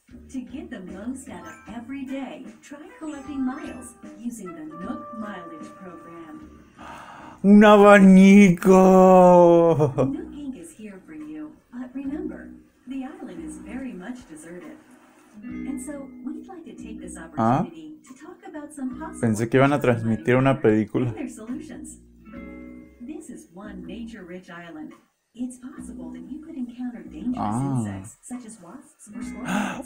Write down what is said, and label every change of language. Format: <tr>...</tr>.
<en>To get the most out of every day, try collecting miles using the Nook Mileage Program.</en> <es>¡Un abanico!</es> <en>Nook Inc. is here for you, but remember, the island is very much deserted. And so, we'd like to take this opportunity to talk about some possible...</en> <es>Pensé que iban a transmitir una película.</es> <en>This is one nature rich island. It's possible that you could encounter dangerous insects, such as wasps or scorpions.</en>